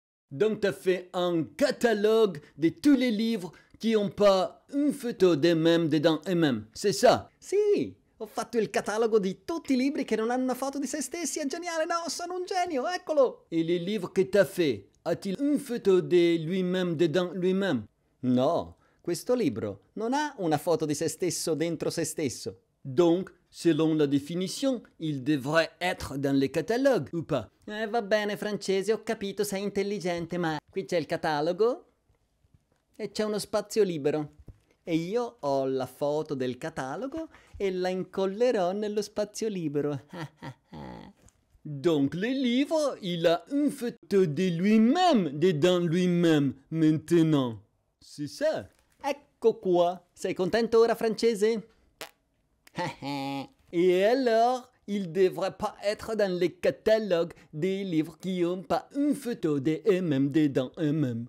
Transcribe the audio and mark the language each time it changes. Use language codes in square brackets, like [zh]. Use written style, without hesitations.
[fr] Donc t'as fait un catalogue de tous les livres qui n'ont pas une photo d'eux-mêmes dedans eux-mêmes, c'est ça? [it] Sì, ho fatto il catalogo di tutti i libri che non hanno una foto di se stessi, è geniale, no? Sono un genio, eccolo! E [fr] le livre [it] che [fr] t'as fait, a-t-il une photo de lui-même dedans lui-même? [it] No, questo libro non ha una foto di se stesso dentro se stesso. [fr] Donc, selon la définition, il devrait être dans le catalogue, ou pas? [it] Va bene, francese, ho capito, sei intelligente, ma qui c'è il catalogo e c'è uno spazio libero. E io ho la foto del catalogo e la incollerò nello spazio libero. [fr] Donc le livre, il a une photo de lui-même dedans lui-même, maintenant. C'est ça? [it] Ecco qua. Sei contento ora, francese? [fr] Et alors, il devrait pas être dans les catalogues des livres qui ont pas une photo d'eux-mêmes dedans eux-mêmes.